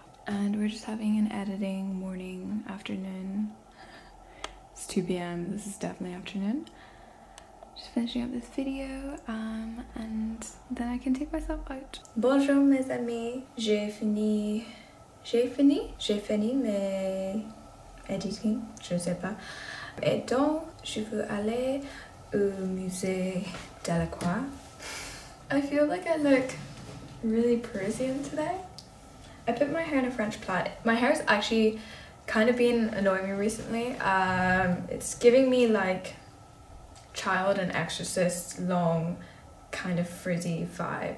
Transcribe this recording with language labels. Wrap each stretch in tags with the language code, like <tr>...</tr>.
<en>And we're just having an editing morning, afternoon. It's 2 p.m. This is definitely afternoon. Just finishing up this video, and then I can take myself out.</en> <fr>Bonjour mes amis. J'ai fini mes editing, je ne sais pas. Et donc, je veux aller au musée Delacroix.</fr> <en>I feel like I look really Parisian today. I put my hair in a French plait. My hair's actually kind of been annoying me recently. It's giving me like Child and Exorcist long kind of frizzy vibe.</en>